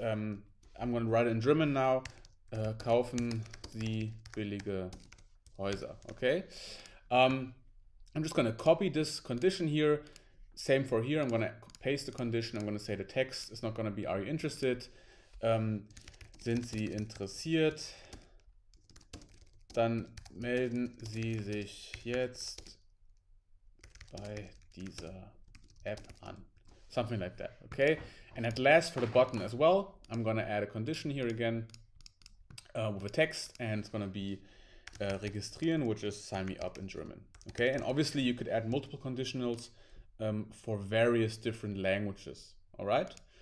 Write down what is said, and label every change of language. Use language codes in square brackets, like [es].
[en] I'm going to write it in German now. [de] Kaufen Sie billige Häuser. [en] Okay, I'm just going to copy this condition here. Same for here. I'm going to paste the condition. I'm going to say the text is not going to be, are you interested? [de] Sind Sie interessiert? Dann melden Sie sich jetzt bei dieser App an. [en] Something like that. Okay. And at last for the button as well, I'm going to add a condition here again with a text, and it's going to be registrieren, which is sign me up in German. Okay. And obviously you could add multiple conditionals for various different languages. All right.